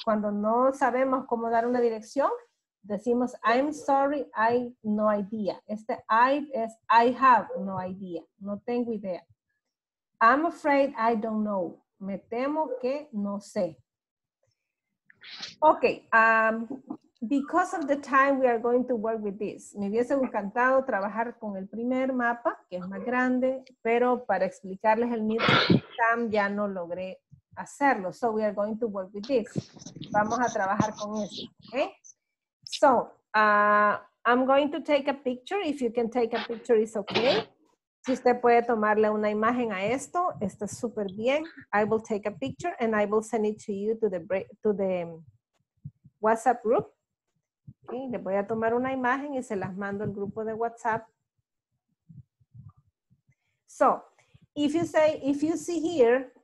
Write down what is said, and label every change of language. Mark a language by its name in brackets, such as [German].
[Spanish] Cuando no sabemos cómo dar una dirección, decimos, [English] I'm sorry, I no idea. [Spanish] Este I es, [English] I have no idea. [Spanish] No tengo idea. [English] I'm afraid I don't know. [Spanish] Me temo que no sé. [English] Okay. Because of the time, we are going to work with this. [Spanish] Me hubiese encantado trabajar con el primer mapa, que es más grande, pero para explicarles el mismo exam, ya no logré hacerlo. [English] So we are going to work with this. [Spanish] Vamos a trabajar con eso. [English] Okay? So, I'm going to take a picture. If you can take a picture, it's okay. [Spanish] Si usted puede tomarle una imagen a esto, está súper bien. [English] I will take a picture and I will send it to you to the WhatsApp group. [Spanish] Okay, le voy a tomar una imagen y se las mando al grupo de WhatsApp. [English] So, if you say, if you see here,